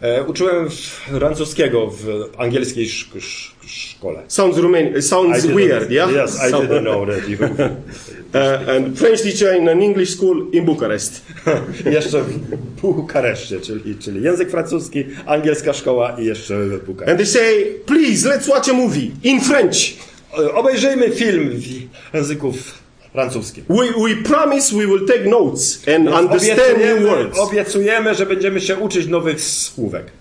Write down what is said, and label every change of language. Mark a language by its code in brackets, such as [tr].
[pl] Uczyłem francuskiego w angielskiej szkole. [en] Sounds weird, yeah? Yes, I didn't know that even. And French teacher in an English school in Bucharest. [pl] Jeszcze w Bukareszcie, czyli język francuski, angielska szkoła i jeszcze w Bukareszcie. [en] And they say, please, let's watch a movie in French. [pl] Obejrzyjmy film w języku francuskim. [en] We promise we will take notes and understand new words. [pl] Obiecujemy, że będziemy się uczyć nowych słówek.